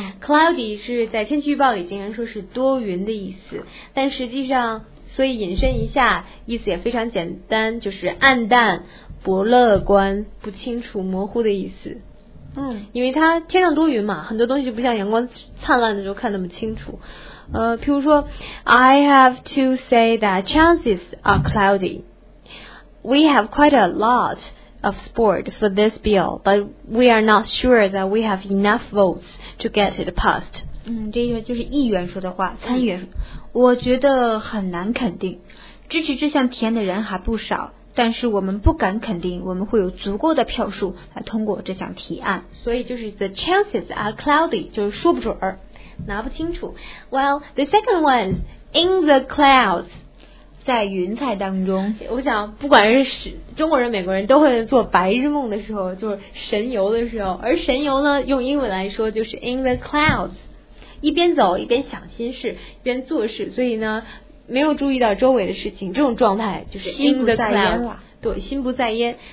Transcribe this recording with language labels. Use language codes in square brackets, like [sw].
[zh] Cloudy 是在天气预报里经常说是多云的意思，但实际上，所以引申一下，意思也非常简单，就是暗淡、不乐观、不清楚、模糊的意思。因为它天上多云嘛，很多东西就不像阳光灿烂的时候看那么清楚。譬如说 [en] I have to say that chances are cloudy. We have quite a lot of support for this bill, but we are not sure that we have enough votes to get it passed. [zh] 这就是议员说的话，参议员说，我觉得很难肯定，支持这项提案的人还不少，但是我们不敢肯定我们会有足够的票数来通过这项提案。所以就是 [en] the chances are cloudy， [zh] 就是说不准儿，拿不清楚。 [en] Well, the second one is in the clouds， [zh] 在云彩当中。我想不管是中国人美国人都会做白日梦的时候，就是神游的时候，而神游呢用英文来说就是 [en] in the clouds， [zh] 一边走一边想心事一边做事，所以呢没有注意到周围的事情，这种状态就是 in the clouds， 对，心不在焉。